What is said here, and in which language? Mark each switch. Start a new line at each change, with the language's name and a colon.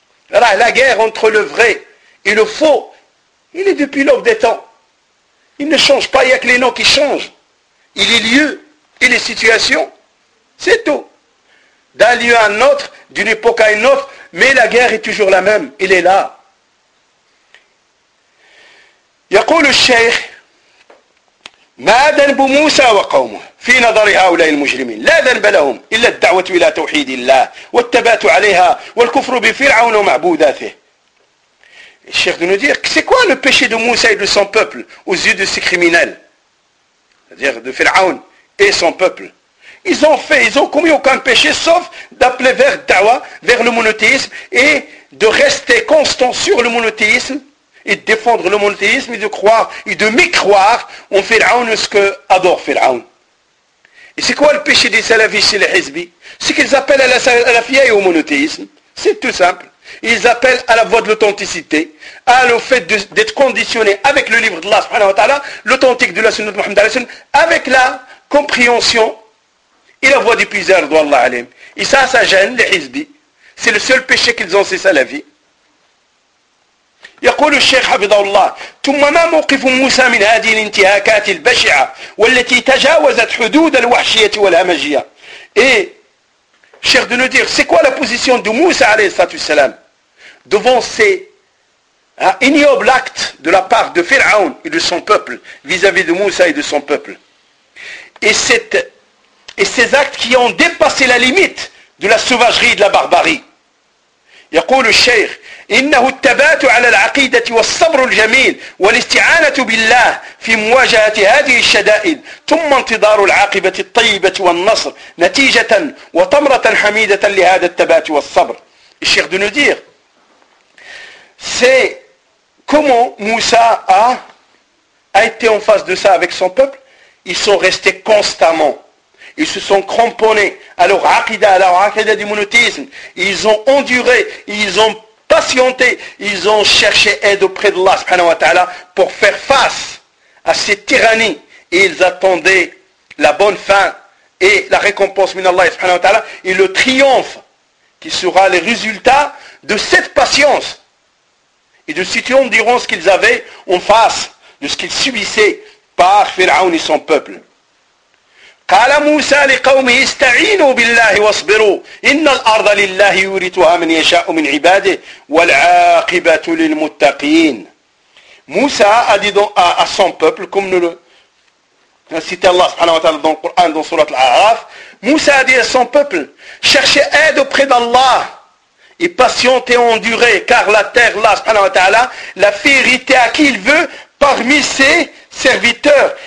French: La guerre entre le vrai et le faux, il est depuis l'aube des temps. Il ne change pas, il n'y a que les noms qui changent. Et les lieux et les situations, c'est tout. D'un lieu à un autre, d'une époque à une autre, mais la guerre est toujours la même, elle est là.
Arabic: يقول الشيخ ما ذنب موسى وقومه في نظر هؤلاء المجرمين لا ذنب لهم إلا الدعوة إلى توحيد الله والتبات عليها والكفر بفرعون ومعبوداته.
French: Le cheikh de nous dire, c'est quoi le péché de Moussa et de son peuple aux yeux de ces criminels? C'est-à-dire de Pharaon et son peuple. Ils ont fait, ils ont commis aucun péché sauf d'appeler vers Dawa, vers le monothéisme et de rester constant sur le monothéisme et de défendre le monothéisme et de croire et de mécroire en Pharaon ce que adore Pharaon. Et c'est quoi le péché des salafis chez les hizbis? C'est qu'ils appellent à la fiya et au monothéisme. C'est tout simple. Ils appellent à la voie de l'authenticité, à le fait d'être conditionné avec le livre d'Allah subhanahu wa ta'ala, l'authentique de la sunna de Muhammad alayhi wa sallam, avec la compréhension et la voie du puiseur d'Allah alayhi. Et ça gêne les hizbis. C'est le seul péché qu'ils ont, c'est ça la vie.
Arabic: يقول الشيخ حفظه الله ثم ما موقف موسى من هذه الانتهاكات البشعة والتي تجاوزت حدود الوحشية والهمجية.
French: Cher de nous dire, c'est quoi la position de Moussa alayhi salam devant ces ignobles actes de la part de Pharaon et de son peuple vis-à-vis de Moussa et de son peuple? Et ces actes qui ont dépassé la limite de la sauvagerie et de la barbarie.
Arabic: يقول الشيخ إنه التبات على العقيدة والصبر الجميل والاستعانة بالله في مواجهة هذه الشدائد ثم انتظار العاقبة الطيبة والنصر نتيجة وتمرة حميدة لهذا التبات والصبر.
French: cher de nous dire, c'est comment Moussa a été en face de ça avec son peuple. Ils sont restés constamment. Ils se sont cramponnés à leur aqida, à leur aqida du monothéisme. Ils ont enduré, ils ont patienté, ils ont cherché aide auprès d'Allah subhanahu wa ta'ala pour faire face à cette tyrannie. Et ils attendaient la bonne fin et la récompense minallah subhanahu wa ta'ala et le triomphe qui sera le résultat de cette patience et de cette endurance qu'ils avaient en face de ce qu'ils subissaient par Pharaon et son peuple.
Arabic: قال موسى لقومه استعينوا بالله واصبروا إن الأرض لله يورثها من يشاء من عباده والعاقبة للمتقين.
French: موسى a dit à son peuple, comme nous le cite Allah subhanahu wa ta'ala dans le Coran, dans sourate Al-A'raf, Moussa a dit à son peuple, cherchez aide auprès d'Allah et patientez, endurez, car la terre, Allah subhanahu wa ta'ala, la fait hériter à qui il veut parmi ses serviteurs.